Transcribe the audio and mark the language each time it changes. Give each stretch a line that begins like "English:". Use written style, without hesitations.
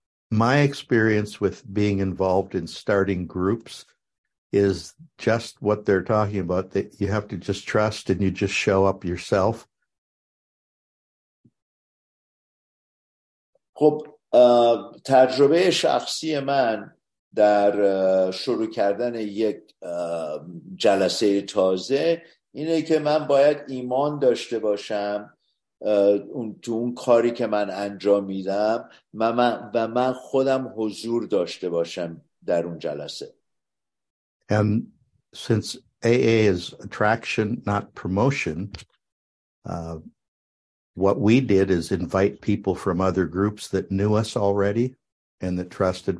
English: My experience with being involved in starting groups is just what they're talking about, that you have to just trust and you just show up yourself.
Persian: خب تجربه شخصی من در شروع کردن یک جلسه تازه اینه که من باید ایمان داشته باشم اون تو اون کاری که من انجام میدم من خودم حضور داشته باشم در اون جلسه.
English: And since AA is attraction, not promotion, what we did is invite people from other groups that knew us already and that trusted.